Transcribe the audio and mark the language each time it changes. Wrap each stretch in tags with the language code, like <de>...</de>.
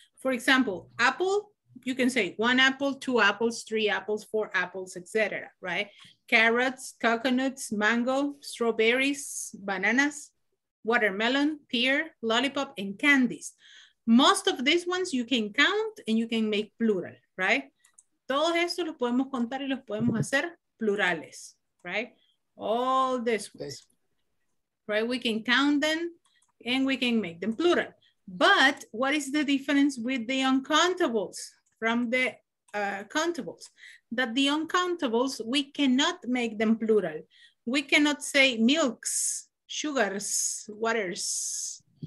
<en>For example, apple, you can say one apple, two apples, three apples, four apples, etc., right? Carrots, coconuts, mango, strawberries, bananas, watermelon, pear, lollipop, and candies. Most of these ones you can count and you can make plural, right?</en> <es>Todos estos los podemos contar y los podemos hacer plurales, right?</es> <en>All this ones, right? We can count them and we can make them plural. But what is the difference with the uncountables from the countables? That the uncountables, we cannot make them plural. We cannot say milks, sugars, waters.</en>